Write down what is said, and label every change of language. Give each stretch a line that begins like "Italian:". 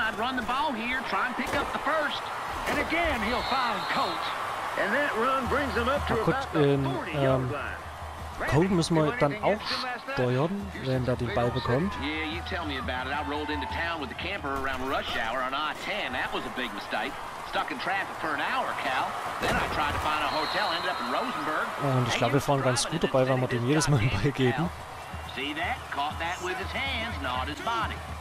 English: I'd run the ball here, try and pick up the first. And again, he'll find Colt. And that run brings him up to about the 40-yard line.
German: Colt müssen wir dann auch steuern, wenn er den Ball bekommt.
English: Yeah, you tell me about it. I rolled into town with the camper around rush hour on I-10. That was a big mistake. Stuck in traffic for an hour, Cal. Then I tried to find a hotel, ended up in Rosenberg.
German: Und ich glaube, wir fahren ganz gut dabei, weil wir dem jedes Mal einen Ball geben.
English: See that? Caught that with his hands, not his body.